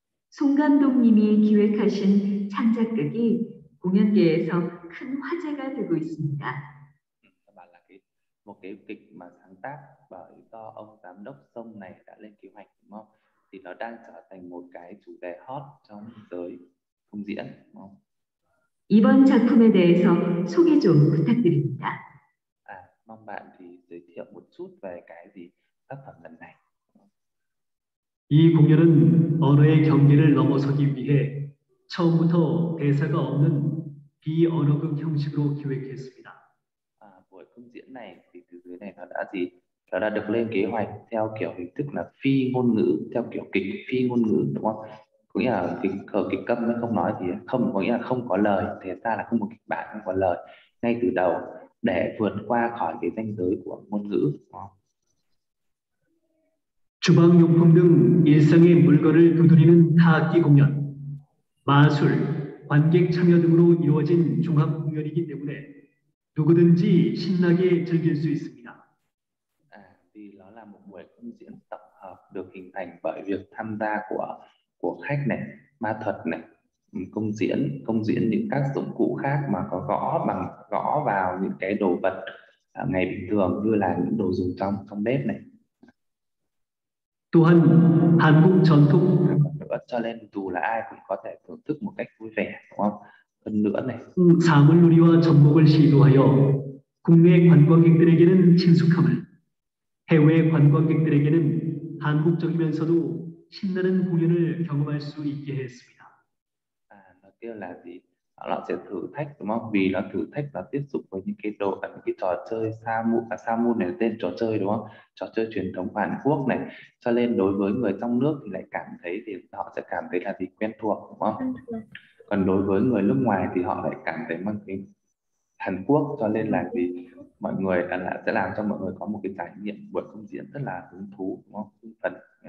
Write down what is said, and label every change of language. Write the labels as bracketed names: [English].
[Korean] 송 감독님이 기획하신 창작극이 공연계에서 큰 화제가 되고 있습니다. [Vietnamese] Một cái kịch mà sáng tác bởi do ông giám đốc Song này đã lên kế hoạch đúng không? Thì nó đang trở thành một cái chủ đề hot trong giới công diễn đúng không? [Korean] 이번 작품에 대해서 소개 좀 부탁드립니다. [Vietnamese] 아, mong bạn thì giới thiệu một chút về cái gì tác phẩm lần này. [Korean] 이 공연은 언어의 경계를 넘어서기 위해 처음부터 대사가 없는 비언어극 형식으로 기획했습니다. [Vietnamese] 아, buổi công diễn này thì từ dưới này nó đã được lên kế hoạch theo kiểu hình thức là phi ngôn ngữ, theo kiểu kịch phi ngôn ngữ đúng không? Có nghĩa là kịch câm nó không nói gì, không có nghĩa là không có lời, thế ra là không có kịch bản, không có lời ngay từ đầu để vượt qua khỏi cái ranh giới của ngôn ngữ. [Korean] 주방용품 등 일상의 물건을 두드리는 타악기 공연, 마술, 관객 참여 등으로 이루어진 종합 공연이기 때문에 누구든지 신나게 즐길 수 있습니다. [Vietnamese] Thì nó là một buổi công diễn tổng hợp được hình thành bởi việc tham gia của khách này, ma thuật này, công diễn những các dụng cụ khác mà có gõ vào những cái đồ vật ngày bình thường như là những đồ dùng trong bếp này. [Korean] 또한 한국 전통 [Vietnamese] cho nên dù là ai cũng có thể thưởng thức một cách vui vẻ, đúng không? Hơn nữa này. [Korean] 사물놀이와 접목을 시도하여 국내 관광객들에게는 친숙함을, 해외 관광객들에게는 한국적이면서도 신나는 공연을 경험할 수 있게 했습니다. [Vietnamese] 아, 나 kêu là gì? Nó sẽ thử thách đúng không? Vì nó thử thách và tiếp xúc với những cái đồ, những cái trò chơi Samun này là tên trò chơi đúng không? Trò chơi truyền thống của Hàn Quốc này. Cho nên đối với người trong nước thì lại cảm thấy thì họ sẽ cảm thấy là gì quen thuộc đúng không? Còn đối với người nước ngoài thì họ lại cảm thấy mang cái Hàn Quốc, cho nên là gì mọi người là sẽ làm cho mọi người có một cái trải nghiệm buổi công diễn rất là hứng thú đúng không? Hứng phấn.